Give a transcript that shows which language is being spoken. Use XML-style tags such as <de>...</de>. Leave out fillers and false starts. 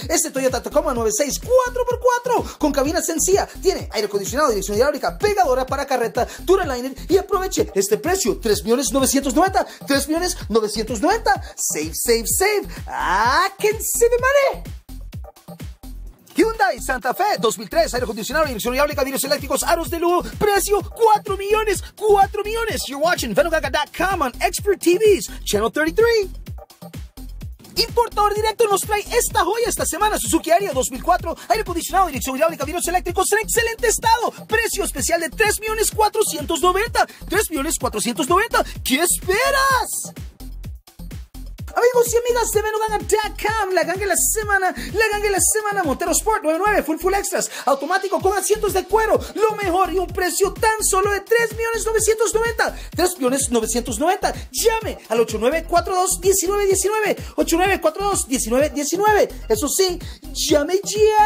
<es>Este Toyota Tacoma 96 4x4 con cabina sencilla, tiene aire acondicionado, dirección hidráulica, pegadora para carreta, Duraliner, y aproveche este precio, 3,990,000, 3,990,000.</es> <en>Save, save, save. I can see the money.</en> <es>Hyundai Santa Fe 2003, aire acondicionado, dirección hidráulica, vidrios eléctricos, aros de lujo, precio 4,000,000, 4,000,000.</es> <en>You're watching Venugaga.com on Expert TV's Channel 33.</en> <es>Importador Directo nos trae esta joya esta semana, Suzuki Ariya 2004, aire acondicionado, dirección hidráulica, vidrios eléctricos, en excelente estado, precio especial de 3,490,000, 3,490,000, ¿qué esperas? Amigos y amigas de Venuganga.com, la ganga de la semana, la ganga de la semana, Montero Sport 99, full extras, automático con asientos de cuero, lo mejor y un precio tan solo de 3,990,000, 3,990,000, llame al 8942-1919, 8942-1919, eso sí, llame ya.</es>